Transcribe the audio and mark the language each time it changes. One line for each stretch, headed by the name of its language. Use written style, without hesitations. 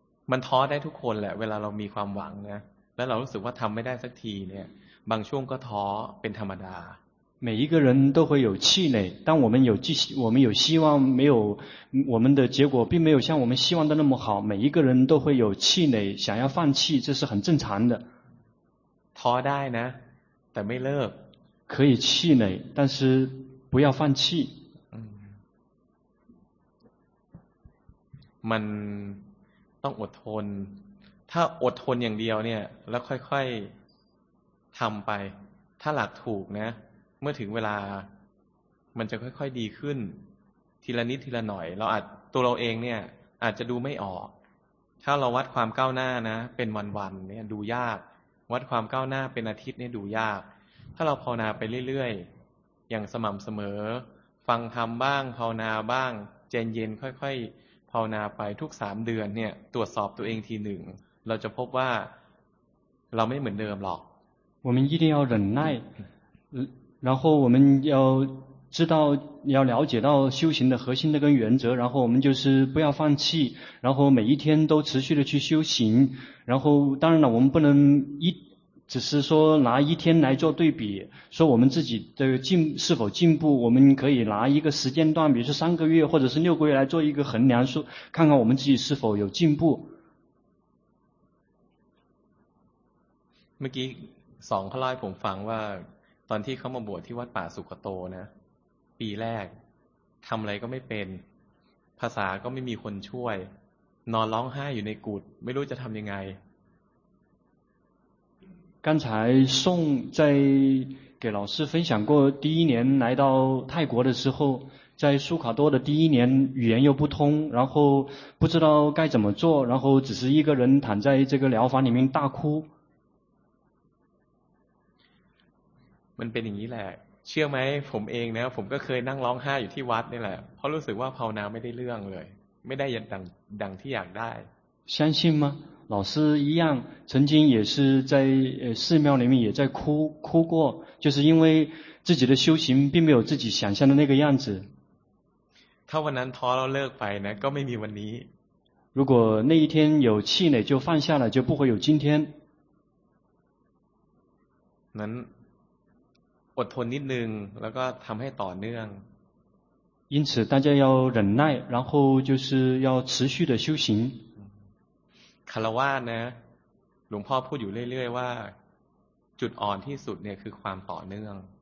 Thai: มันท้อได้ทุกคนแหละเวลาเรามีความหวังนะแล้วเรารู้สึกว่าทำไม่ได้สักทีเนี่ยบางช่วงก็ท้อเป็นธรรมดา
Chinese: 每一个人都会有气馁当我们有希望没有我们的结果并没有像我们希望的那么好每一个人都会有气馁想要放弃这是很正常的
Thai: ท้อได้นะแต่ไม่เลิก
Chinese: 可以气馁但是不要放弃
Thai: มันต้องอดทนถ้าอดทนอย่างเดียวเนี่ยแล้วค่อยๆทำไปถ้าหลักถูกนะเมื่อถึงเวลามันจะค่อยๆดีขึ้น ทีละนิดทีละหน่อยเราอาจตัวเราเองเนี่ยอาจจะดูไม่ออกถ้าเราวัดความก้าวหน้านะเป็นวันๆเนี่ยดูยากวัดความก้าวหน้าเป็นอาทิตย์เนี่ยดูยากถ้าเราภาวนาไปเรื่อยๆอย่างสม่ำเสมอฟังธรรมบ้างภาวนาบ้างเย็นๆค่อยๆภาวนาไปทุก3เดือนเนี่ยตรวจสอบตัวเองทีหนึ่งเราจะพบว่าเราไม่เหมือนเดิมหรอก
Chinese: 我们一定要忍耐然后我们要知道要了解到修行的核心的根原则然后我们就是不要放弃然后每一天都持续的去修行然后当然了我们不能一只是说拿一天来做对比说我们自己的进是否进步我们可以拿一个时间段比如说三个月或者是六个月来做一个衡量说看看我们自己是否有进步
Thai: เมื่อกี้สองเขาเล่าให้ผมฟังว่าตอนที่เขามาบวชที่วัดป่าสุขโตนะปีแรกทำอะไรก็ไม่เป็นภาษาก็ไม่มีคนช่วยนอนร้องไห้อยู่ในกุฏไม่รู้จะทำยังไง
Chinese: 刚才宋在给老师分享过第一年来到泰国的时候在苏卡多的第一年语言又不通然后不知道该怎么做然后只是一个人躺在这个疗房里面大哭
Thai: มันเป็นอย่างนี้แหละเชื่อไหมผมเองนะผมก็เคยนั่งร้องไห้อยู่ที่วัดนี่แหละเพราะรู้สึกว่าภาวนาไม่ได้เรื่องเลยไม่ได้ดังที่อยากได้
Chinese: 相信吗老师一样曾经也是在寺庙里面也在哭哭过就是因为自己的修行并没有自己想象的那个样子
Thai: ถ้าวันนั้นท้อแล้วเลิกไปนะก็ไม่มีวันนี้
Chinese: 如果那一天有气馁就放下了就不会有今天
Thai: นั้นอดทนนิดนึงแล้วก็ทำให้ต่อเนื่อง
Chinese: 因此大家要忍耐然后就是要持续的修行
Thai: คารวะนะหลวงพ่อพูดอยู่เรื่อยๆว่าจุดอ่อนที่สุดเนี่ยคือความต่อเนื่อง